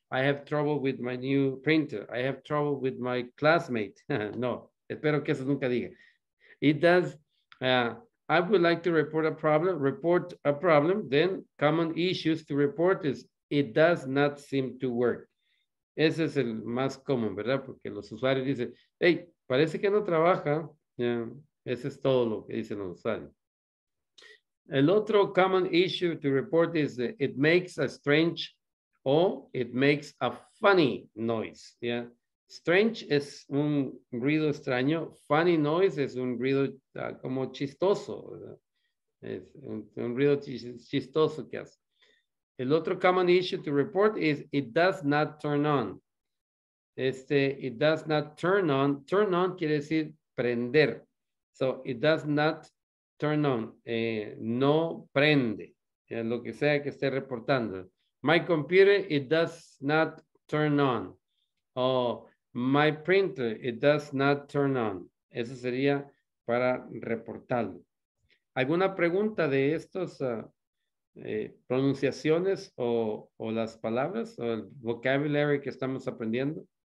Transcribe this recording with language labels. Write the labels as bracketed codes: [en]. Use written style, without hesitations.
[en] I have trouble with my new printer. I have trouble with my classmate. [es] No, espero que eso nunca diga. [en] It does. I would like to report a problem. Report a problem. Then common issues to report is, it does not seem to work. [es] Ese es el más común, ¿verdad? Porque los usuarios dicen, hey, parece que no trabaja. Yeah. Ese es todo lo que dicen los usuarios. El otro [en] common issue to report is that it makes a strange or it makes a funny noise. Yeah. [es] Strange es un ruido extraño. Funny noise es un ruido como chistoso. Es un ruido chistoso que hace. El otro [en] common issue to report is it does not turn on. Este, it does not turn on. Turn on [es] quiere decir prender. [en] So, it does not turn on. [es] No prende. Lo que sea que esté reportando. [en] My computer, it does not turn on. Oh, my printer, it does not turn on. [es] Eso sería para reportarlo. ¿Alguna pregunta de estos pronunciaciones o las palabras o el vocabulary que estamos aprendiendo?